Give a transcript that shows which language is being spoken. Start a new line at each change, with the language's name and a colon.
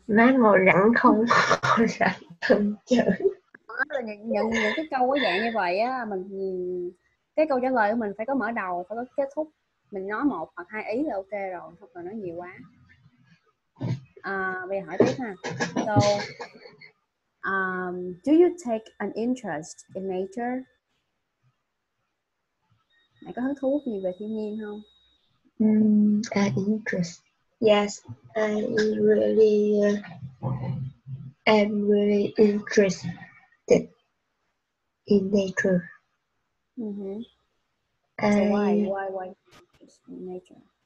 Vietnamese: má ngồi rẳng không rẳng thân chữ là những cái câu có dạng như vậy á, mình cái câu trả lời của mình phải có mở đầu phải có kết thúc, mình nói một hoặc hai ý là ok rồi, không cần nói nhiều quá. Bây giờ hỏi tiếp ha.
English: So do you take an interest in nature?
Vietnamese: Mày có hứng thú gì về thiên nhiên không?
English: An interest. Yes, I'm really interested in nature. Mm-hmm. So why in nature?